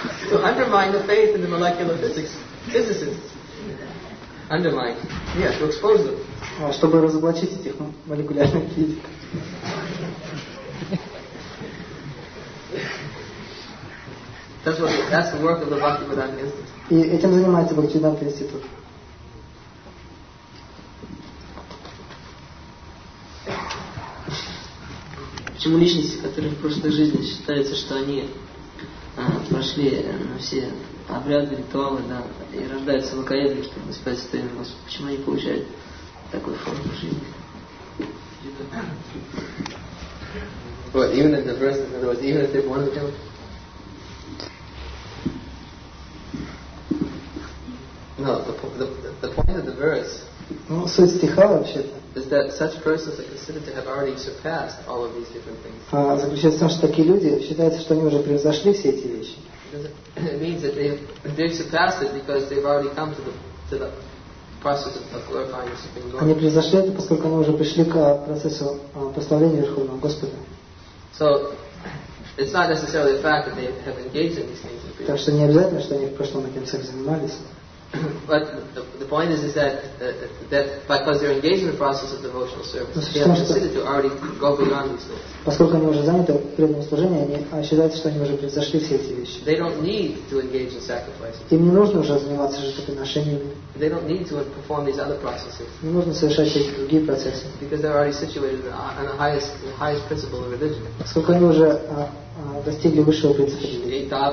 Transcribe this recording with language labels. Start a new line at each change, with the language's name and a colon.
English: To undermine the faith in the molecular physicists. Undermine. Yes, to expose them.
Russian: Чтобы разоблачить этих молекулярных физиков.
English: That's the work of the Bhaktivedanta
Russian: Institute. И этим занимается Бхактивиданта Институт. Почему личности, которые в прошлой жизни считается, что они прошли все обряды, ритуалы, да, и рождаются лукоедами, чтобы спать с твоими Господом. Почему они получают такую форму жизни?
English: Вот, even if the person, in other words, even if they want to kill? No, the point of the verse
Russian: Ну, суть стиха вообще-то.
English: Is that such persons are considered to have already surpassed all of these different things?
Russian: Заключается в том, что такие люди считается, что они уже превзошли все эти вещи.
English: It means that they've surpassed it because they've already come to the process of glorifying the Supreme Lord.
Russian: Они превзошли это, поскольку они уже пришли к процессу прославления Верховного Господа.
English: So it's not necessarily the fact that they have engaged in these things.
Russian: Так что не обязательно, что они в прошлом этим всем занимались.
English: But the point is that because they're engaged in the process of devotional service, they are considered to already go beyond these things.
Russian: Поскольку они уже заняты преданным служением, они считают, что они уже превзошли все эти вещи.
English: They don't need to engage in sacrifices.
Russian: Им не нужно уже заниматься жертвоприношениями.
English: They don't need to perform these other processes.
Russian: Не нужно совершать эти другие процессы.
English: Because they're already situated on the highest principle of religion.
Russian: Поскольку они уже достигли высшего принципа религии.